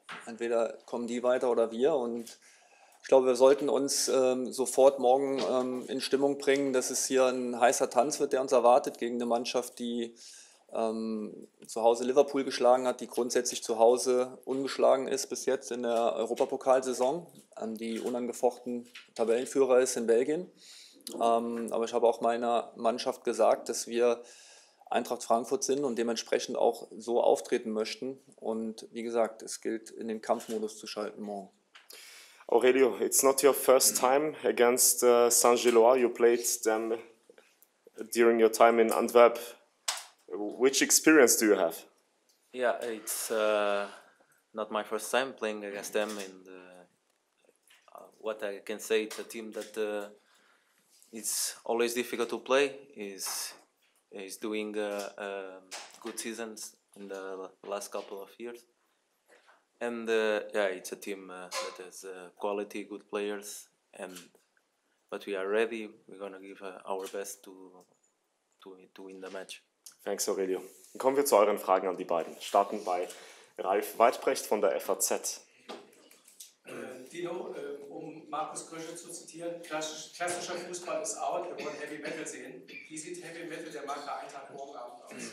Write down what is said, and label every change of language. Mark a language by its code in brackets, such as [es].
[de] Entweder kommen die weiter oder wir. Und ich glaube, wir sollten uns sofort morgen in Stimmung bringen, dass es hier ein heißer Tanz wird, der uns erwartet gegen eine Mannschaft, die zu Hause Liverpool geschlagen hat, die grundsätzlich zu Hause ungeschlagen ist bis jetzt in der Europapokalsaison, die unangefochten Tabellenführer ist in Belgien. Aber ich habe auch meiner Mannschaft gesagt, dass wir Eintracht Frankfurt sind und dementsprechend auch so auftreten möchten. Und wie gesagt, es gilt, in den Kampfmodus zu schalten morgen. [en] Aurelio, it's not your first time against Saint-Gilloise. You played them during your time in Antwerp. Which experience do you have? Yeah, it's not my first time playing against them. And what I can say, it's a team that it's always difficult to play. Is doing good seasons in the last couple of years. And yeah, it's a team that has quality, good players. But we are ready. We're gonna give our best to win the match. Thanks, Aurelio. [de] Dann kommen wir zu euren Fragen an die beiden. Starten bei Ralf Weidbrecht von der FAZ. Dino, um Markus Krösche zu zitieren, klassischer Fußball ist out, wir wollen Heavy Metal sehen. Wie sieht Heavy Metal der Mann bei Eintracht morgen Abend aus?